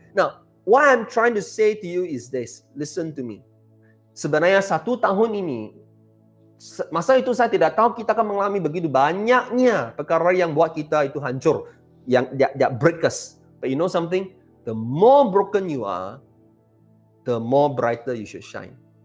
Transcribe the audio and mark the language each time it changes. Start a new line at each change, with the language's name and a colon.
English: Now, what I'm trying to say to you is this, listen to me.
Malay: Sebenarnya satu tahun ini, masa itu saya tidak tahu kita akan mengalami begitu banyaknya perkara yang buat kita itu hancur, yang
English: that break us. But you know something? The more broken you are, the more brighter you should shine.